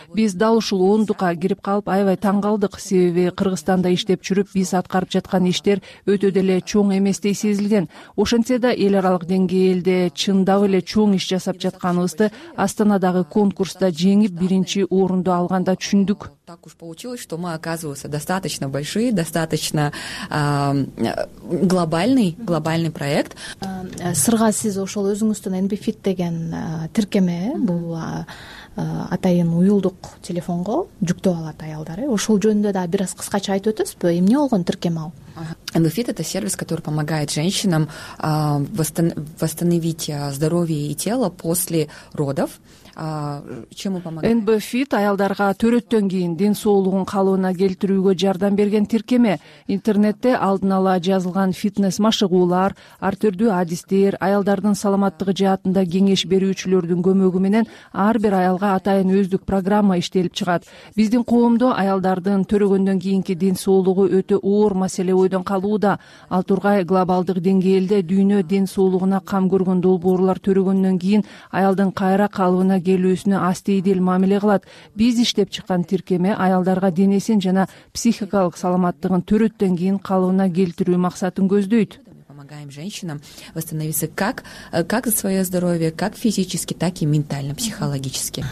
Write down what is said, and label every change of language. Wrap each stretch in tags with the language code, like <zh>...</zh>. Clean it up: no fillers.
<ky>Биз дал ушул ондукка кирип калып, аябай таң калдык. Себеби Кыргызстанда иштеп жүрүп, биз аткарып жаткан иштер өтө деле чоң эместей сезилген. Ошентсе да эл аралык деңгээлде чындап эле чоң иш жасап жатканыбызды Астанадагы конкурста жеңип биринчи орунду алганда түшүндүк.</ky> <ru>Так уж получилось, что мы, оказывается, достаточно большие, достаточно глобальный проект.</ru> <ky>Сырга, сиз ошол өзүңүздүн NBFIT деген тиркеме, бул атайын уюлдук телефонго жүктөп алат аялдар. Ошол жөнүндө да бир аз кыскача айтып өтөсүзбү? Эмне болгон тиркеме ал?</ky> <ru>NBFIT — это сервис, который помогает женщинам восстановить здоровье и тело после родов.</ru> <ky>NBFIT аялдарга төрөттөн кийин ден соолугун калыбына келтирүүгө жардам берген тиркеме. Интернетте алдын ала жазылган фитнес машыгуулар, ар түрдүү адистер, аялдардын саламаттыгы жаатында кеңеш берүүчүлөрдүн көмөгү менен ар бир аялга атайын өздүк программа иштелип чыгат. Биздин коомдо аялдардын төрөгөндөн кийинки ден соолугу өтө оор маселе бойдон калууда. Ал тургай глобалдык деңгээлде дүйнө ден соолугуна кам көргөн долбоорлор төрөгөндөн кийин аялдын кайра калыбына келүүсүнө астейдил мамиле кылат. Биз иштеп чыккан тиркеме аялдарга денесин жана психикалык саламаттыгын төрөттөн кийин калыбына келтирүү максатын көздөйт.</ky> <ru>Помогаем женщинам восстановиться как за свое здоровье, как физически, так и ментально, психологически.</ru>